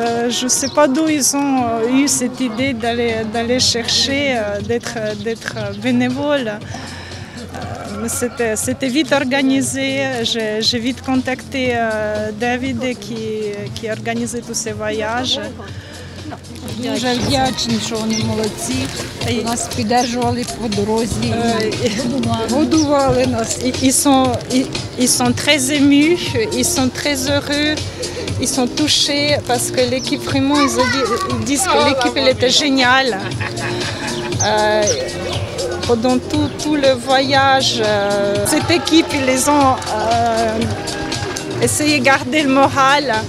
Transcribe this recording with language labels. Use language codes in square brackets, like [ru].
[fr] Je ne sais pas d'où ils ont eu cette idée d'aller chercher, d'être bénévole. C'était vite organisé. J'ai vite contacté David qui a organisé tous ces voyages. [uk] Вдячні, що вони молодці. Нас підтримували по дорозі, годували нас. [fr] Ils sont très émus, ils sont très heureux, ils sont touchés parce que l'équipe vraiment, ils disent que l'équipe elle était géniale. Pendant tout le voyage, cette équipe les ont essayé de garder le moral.